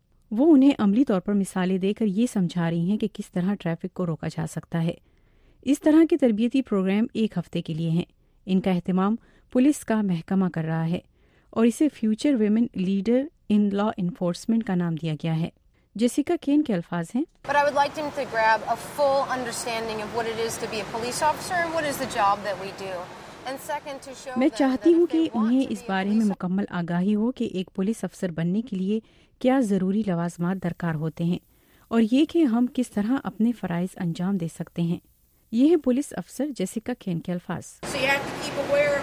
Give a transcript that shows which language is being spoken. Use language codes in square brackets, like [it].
[ur] وہ انہیں عملی طور پر مثالیں دے کر یہ سمجھا رہی ہیں کہ کس طرح ٹریفک کو روکا جا سکتا ہے. اس طرح کے تربیتی پروگرام ایک ہفتے کے لیے ہیں. ان کا اہتمام پولیس کا محکمہ کر رہا ہے اور اسے future women leader in law enforcement کا نام دیا گیا ہے. جیسیکا کین کے الفاظ ہیں, [en] But I would like them to grab a full understanding of what it is to be a police officer and what is the job that we do. And second, to show [ur] میں چاہتی ہوں کہ انہیں اس بارے میں مکمل آگاہی ہو کہ ایک پولیس افسر بننے کے لیے کیا ضروری لوازمات درکار ہوتے ہیں اور یہ کہ ہم کس طرح اپنے فرائض انجام دے سکتے ہیں. یہ ہے پولیس افسر جیسیکا کین کے الفاظ.